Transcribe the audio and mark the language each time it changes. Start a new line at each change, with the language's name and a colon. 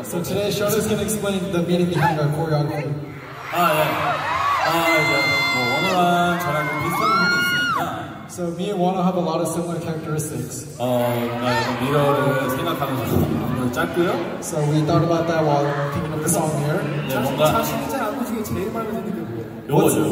English: So today, Sean is going to explain the meaning behind our choreography.
Korean: 아, 예. 아, 이제 원호랑 저랑 비슷한 부분이 있으니까.
English: So me and Wono have a lot of similar characteristics.
Korean: 미러를 생각하면서 한번 짰고요.
English: So we thought about that while we're thinking of the song here.
Korean: 네, 뭔가. 자, 실제 안무 중에 제일 마음에 드는 게 뭐예요?